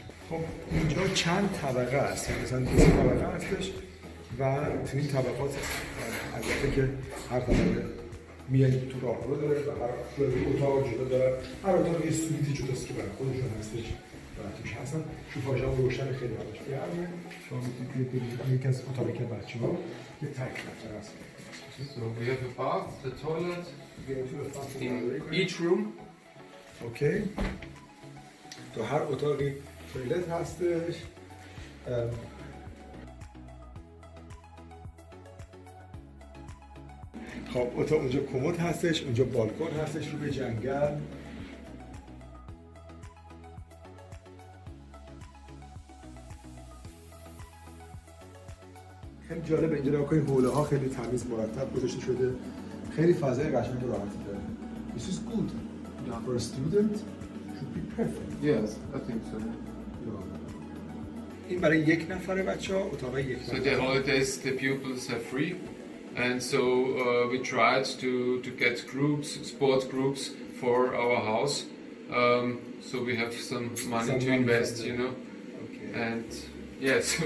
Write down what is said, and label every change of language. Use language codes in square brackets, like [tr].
[fa] خب اینجا چند طبقه هست، مثلا دو طبقه هستش و تو این طبقات البته که هر طبقه میای تو راه رو داره و هر اتاق جدا داره، هر اتاق یه سویتی جداست که برای خودشون هستش و توش هستن. شوفاژ هم روشن خیلی هستش که همه شما میتونید بیدید یک از اتاقی که بچه ها یه تک رفتر هست. [en] So we have a bath, the toilet, in each room. [fa] Okay. تو هر اتاقی تویلت هستش. خب اتاق اونجا کمد هستش، اونجا بالکن هستش رو به جنگل. خیلی جالب اینجا رو که حوله ها خیلی تمیز مرتب گذاشته شده، خیلی فضای قشنگ و راحتی داره. [en] This is good. Yeah. For a student, should be perfect. Yes, I think so. [fa] این برای یک نفره بچه ها، اتاق یک نفره. [en] So the holidays, the pupils are free. And so we tried to get groups, sport groups for our house. So we have some money to invest, you know. Okay. And yes.